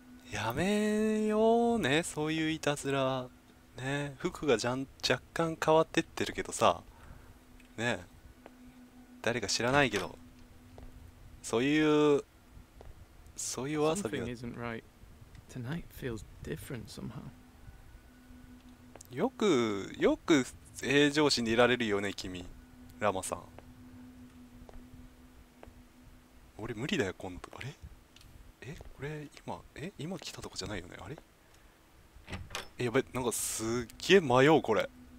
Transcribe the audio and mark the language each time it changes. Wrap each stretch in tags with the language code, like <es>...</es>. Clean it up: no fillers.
<ja>やめようね、そういういたずら。ね、服が若干変わってってるけどさ。ね、誰か知らないけど、そういうわさびが。</ja> <en>Something isn't right. Tonight feels different somehow.</en> <ja>よく平常心でいられるよね、君、ラマさん。俺無理だよ、今度。あれ？これ今来たとこじゃないよね、あれ？やべ、なんかすっげえ迷う、これ。</ja>